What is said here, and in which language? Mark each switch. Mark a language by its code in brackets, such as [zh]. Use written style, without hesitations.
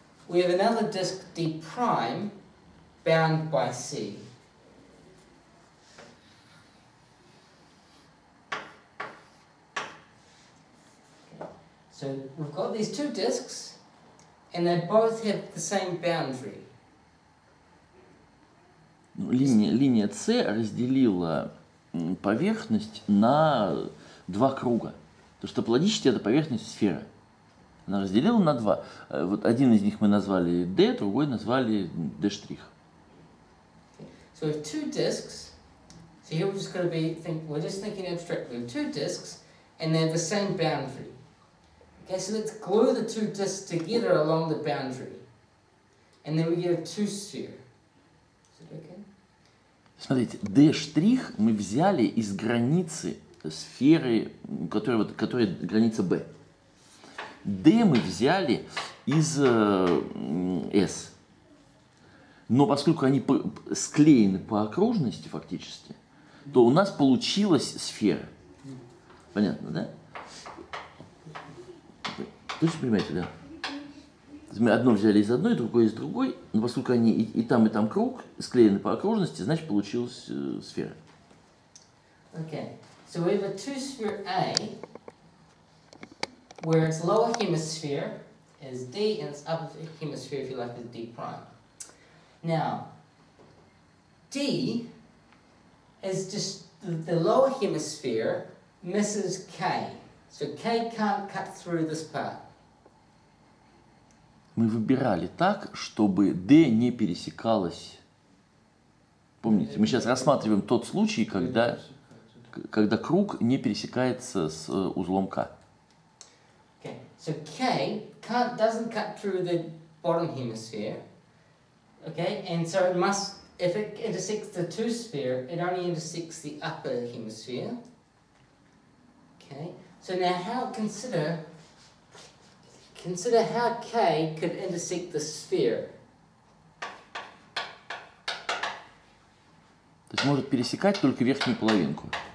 [en] We have another disk D prime bound by C. So we've got these two disks, and they both have the same boundary. [ru] Линия С разделила поверхность на два круга. То, что плодичите, это поверхность сферы. Она разделила на два. Вот один из них мы назвали D, другой назвали D'. [en] So we have two disks. So here we're just thinking abstractly. Two disks, and they have the same boundary. Okay, so let's glue the two disks together along the boundary. And then we get a two sphere. Is it okay? [ru] Смотрите, D' мы взяли из границы сферы, которая граница B. D мы взяли из S. Но поскольку они склеены по окружности фактически, то у нас получилась сфера. Понятно, да? То есть, понимаете, да? Мы одно взяли из одной, другое из другой, но поскольку они и там круг, склеены по окружности, значит получилась сфера. [en] Okay, so we have a two-sphere A, where its lower hemisphere is D, and its upper hemisphere, if you like, is D prime. Now, D is just the lower hemisphere misses K, so K can't cut through this part. [ru] Мы выбирали так, чтобы D не пересекалось. Помните, мы сейчас рассматриваем тот случай, когда круг не пересекается с узлом K. [en] Okay. So K doesn't cut through the bottom hemisphere. Okay? And so it must, if it intersects the two sphere, it only intersects the upper hemisphere. Okay? So now how consider Consider how K could intersect the sphere. [ru] То есть может пересекать только верхнюю половинку.